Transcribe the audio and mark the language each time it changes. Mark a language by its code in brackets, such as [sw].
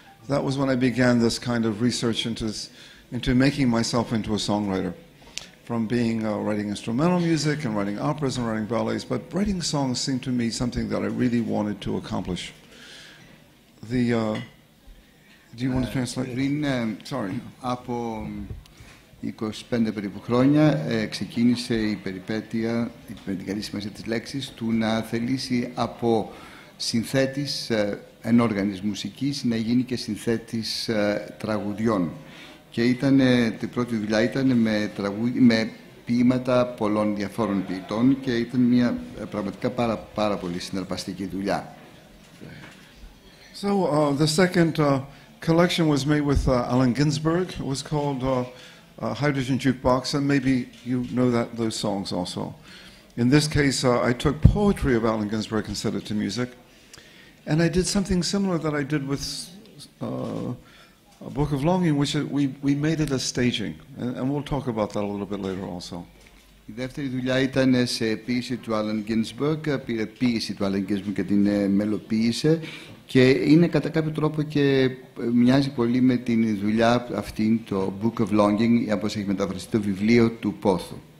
[en] That was when I began this kind of research into making myself into a songwriter, from being writing instrumental music and writing operas and writing ballets, but writing songs seemed to me something that I really wanted to accomplish. The, do you want to translate? Sorry. [el] Από 25 περίπου χρόνια ξεκίνησε η περιπέτεια, με την καλή σημασία της λέξης, του να θελήσει από συνθέτης ενόργανης μουσικής να γίνει και συνθέτης τραγουδιών. Και ήταν, την πρώτη δουλειά ήταν με ποίηματα πολλών διαφόρων ποιητών και ήταν μια πραγματικά πάρα, πάρα πολύ συναρπαστική δουλειά. [en] So, the second collection was made with Allen Ginsberg. It was called Hydrogen Jukebox, and maybe you know that those songs also. In this case, I took poetry of Allen Ginsberg and set it to music, and I did something similar that I did with A Book of Longing, which we made it a staging, and we'll talk about that a little bit later also. [el] Η δεύτερη δουλειά ήταν σε ποίηση του Allen Ginsberg, πήρε ποίηση του Allen Ginsberg και την μελοποίησε, και είναι κατά κάποιο τρόπο και μοιάζει πολύ με την δουλειά αυτή, το Book of Longing, όπως έχει μεταφραστεί, το βιβλίο του Πόθου.